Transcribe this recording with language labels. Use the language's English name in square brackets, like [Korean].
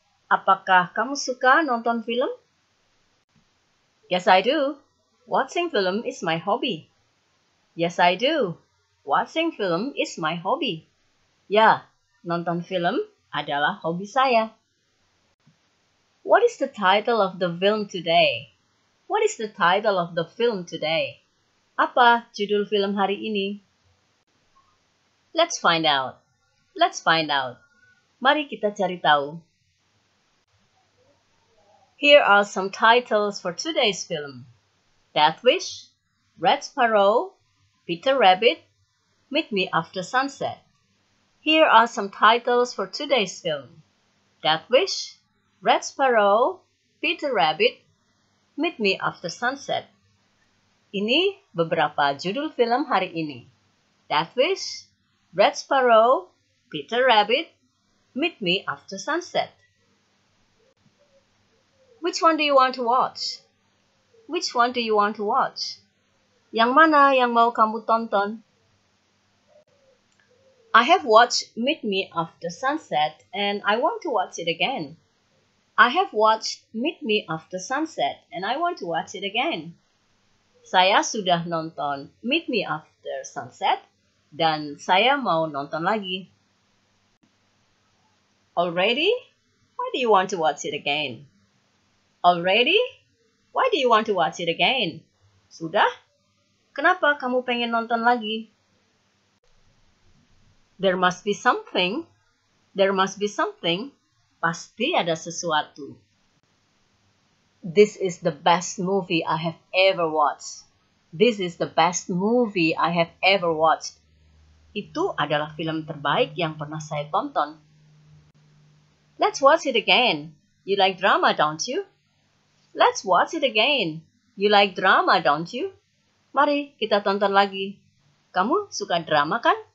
[Indonesian] Apakah kamu suka nonton film? [English] Yes, I do. Watching film is my hobby. Yes, I do. Watching film is my hobby. [Indonesian] Ya, nonton film adalah hobi saya. [English] What is the title of the film today? What is the title of the film today? [Indonesian] Apa judul film hari ini? [English] Let's find out. Let's find out. [Indonesian] Mari kita cari tahu. [English] Here are some titles for today's film. Death Wish, Red Sparrow, Peter Rabbit, Meet Me After Sunset. Here are some titles for today's film. Death Wish, Red Sparrow, Peter Rabbit, Meet Me After Sunset. [Indonesian] Ini beberapa judul film hari ini. [English] Death Wish, Red Sparrow, Peter Rabbit, Meet Me After Sunset. Which one do you want to watch? Which one do you want to watch? [Indonesian] Yang mana yang mau kamu tonton? [English] I have watched Meet Me After Sunset and I want to watch it again. I have watched Meet Me After Sunset and I want to watch it again. [Indonesian] Saya sudah nonton Meet Me After Sunset dan saya mau nonton lagi. [English] Already? Why do you want to watch it again? Already? Why do you want to watch it again? [Indonesian] Sudah? Kenapa kamu pengen nonton lagi? [English] There must be something. There must be something. [Indonesian] Pasti ada sesuatu. [English] This is the best movie I have ever watched. This is the best movie I have ever watched. [Indonesian] Itu adalah film terbaik yang pernah saya tonton. [English] Let's watch it again. You like drama, don't you? Let's watch it again. You like drama, don't you? [Indonesian] Mari kita tonton lagi. Kamu suka drama, kan?